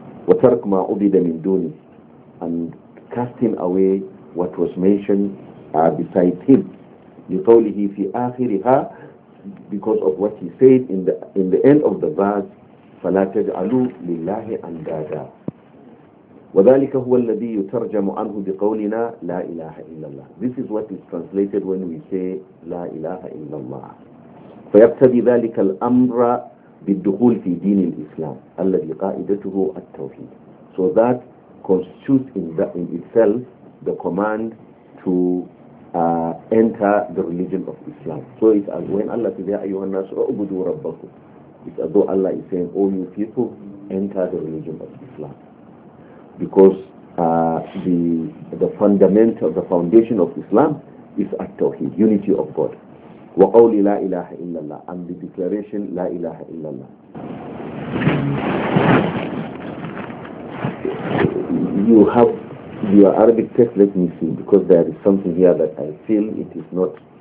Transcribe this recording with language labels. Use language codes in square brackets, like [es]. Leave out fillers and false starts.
[ar] وترك ما عبد من دونه, [en] and casting away what was mentioned beside him. [ar] لقوله في آخرها, [en] because of what he said in the end of the verse, [ar] فلا تجعلوا لله أندادا. وذلك هو الذي يترجم عنه بقولنا لا إله إلا الله. [en] This is what is translated when we say [ar] لا إله إلا الله. فيقتضي ذلك الأمر بالدخول في دين الإسلام الذي قائدته التوحيد. [en] So that constitutes in itself the command to enter the religion of Islam. So it's as when Allah says, [ar] يا أيها الناس اعبدوا ربكم. [en] It's as though Allah is saying, all you people, enter the religion of Islam. Because the foundation of Islam is at Tawheed, unity of God. [ar] وَقَوْلِ لَا إِلَهَ إِلَّا اللَّهِ, [en] and the declaration [ar] لَا إِلَهَ إِلَّا اللَّهِ. [en] You have your Arabic text, let me see, because there is something here that I feel it is not.